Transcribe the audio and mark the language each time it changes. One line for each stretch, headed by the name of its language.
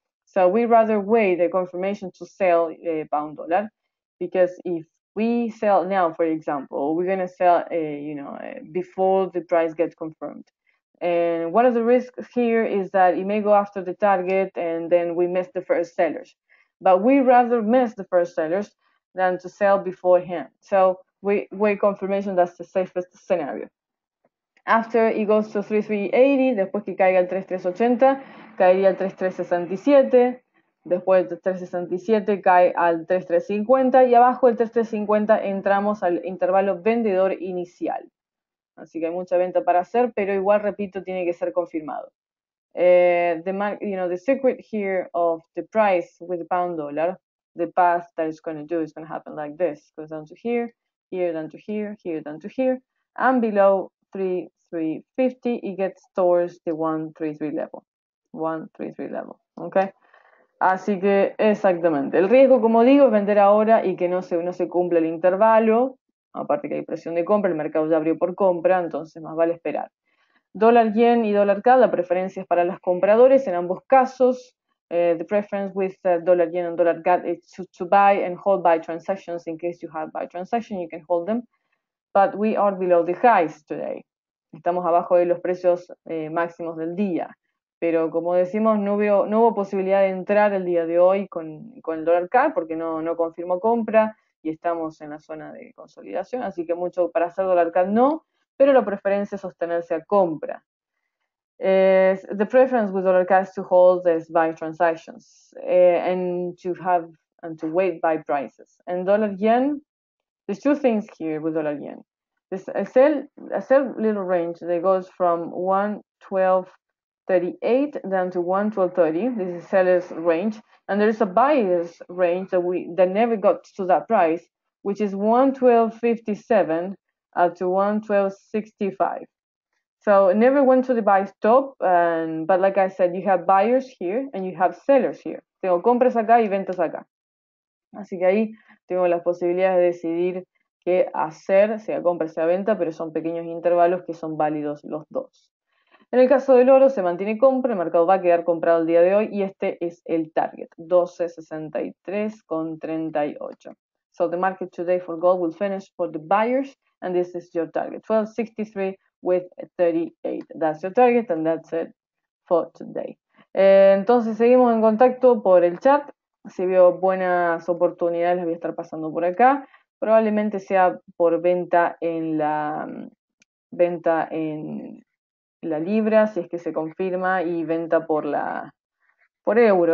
English: So we rather wait the confirmation to sell pound dollar, because if we sell now, for example, we're going to sell, before the price gets confirmed. And one of the risks here is that it may go after the target and then we miss the first sellers. But we rather miss the first sellers than to sell beforehand. So we wait confirmation, that's the safest scenario. After it goes to 3380,
Spanish: después que caiga el 3380, caería al 3367. Después del 3.67 cae al 3.350 y abajo del 3.350 entramos al intervalo vendedor inicial. Así que hay mucha venta para hacer, pero igual repito, tiene que ser confirmado.
English: The secret here of the price with the pound dollar, the path that it's going to do is going to happen like this. Goes down to here, here, down to here, here, down to here, and below 3.350 it gets towards the 1.33 level. 1.33 level. Okay?
Spanish: Así que exactamente. El riesgo, como digo, es vender ahora y que no se cumpla el intervalo. Aparte que hay presión de compra, el mercado ya abrió por compra, entonces más vale esperar. Dólar yen y dólar CAD, la preferencia es para los compradores en ambos casos.
English: The preference with dollar yen and dollar CAD is to buy and hold buy transactions. In case you have buy transactions, you can hold them. But we are below the highs today.
Spanish: Estamos abajo de los precios máximos del día. Pero como decimos, no hubo posibilidad de entrar el día de hoy con el dólar CAD porque no confirmó compra y estamos en la zona de consolidación. Así que mucho para hacer dólar CAD no, pero la preferencia es sostenerse a compra.
English: The preference with dollar CAD is to hold these buy transactions and to wait buy prices. And dollar yen, there's two things here with dollar yen. There's a sell little range that goes from 1.12 38 down to 1.1230. This is seller's range, and there is a buyer's range that never got to that price, which is 1.1257 up to 1.1265. So it never went to the buy stop, but like I said, you have buyers here and you have sellers here.
Spanish: Tengo compras acá y ventas acá. Así que ahí tengo las posibilidades de decidir qué hacer, sea compra, sea venta, pero son pequeños intervalos que son válidos los dos. En el caso del oro, se mantiene compra, el mercado va a quedar comprado el día de hoy y este es el target, 12.63.38.
English: So the market today for gold will finish for the buyers and this is your target, 12.63 with 38. That's your target and that's it for today.
Spanish: Entonces seguimos en contacto por el chat. Si veo buenas oportunidades, las voy a estar pasando por acá. Probablemente sea por venta en la venta en. la libra, si es que se confirma, y venta por la por euro.